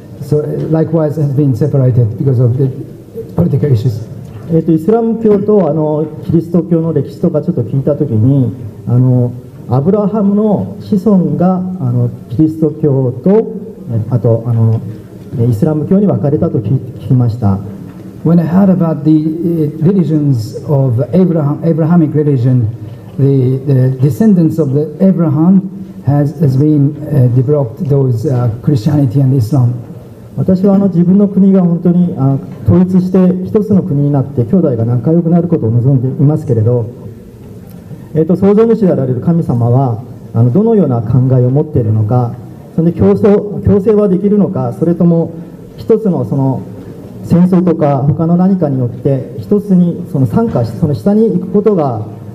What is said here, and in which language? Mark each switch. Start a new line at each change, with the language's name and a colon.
English: So likewise has been separated because of the political issues.
Japanese: イスラム教とキリスト教の歴史とかちょっと聞いたときに、アブラハムの子孫がキリスト教とあとイスラム教に分かれたと聞きました。
English: When I heard about the religions of Abrahamic religion. The descendants of the Abraham has been developed those Christianity and Islam.
Japanese: 私は自分の国が本当に統一して一つの国になって兄弟が仲良くなることを望んでいますけれど、創造主であられる神様はどのような考えを持っているのか、それで共生はできるのか、それとも一つのその戦争とか他の何かによって一つにその参加し、その下に行くことが